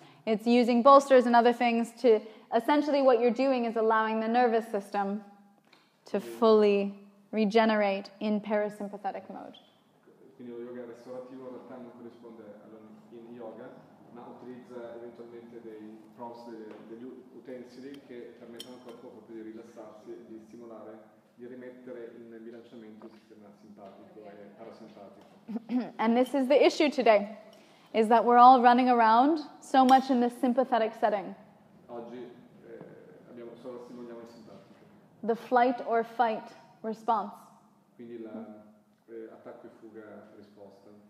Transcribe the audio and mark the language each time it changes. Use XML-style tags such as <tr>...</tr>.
<en>It's using bolsters and other things to, essentially what you're doing is allowing the nervous system to fully regenerate in parasympathetic mode.</en> <it>Quindi lo yoga restaurativo in realtà non corrisponde all'yin yoga, ma utilizza eventualmente dei prompts, degli utensili che permettono al corpo proprio di rilassarsi, di stimolare, di rimettere in bilanciamento il sistema simpatico e parasimpatico.</it> <en>And this is the issue today, is that we're all running around so much in this sympathetic setting.</en> <it>Oggi abbiamo solo stimoliamo il simpatico.</it> <en>The flight or fight response.</en> <it>Quindi la attacco e fuga risposta.</it>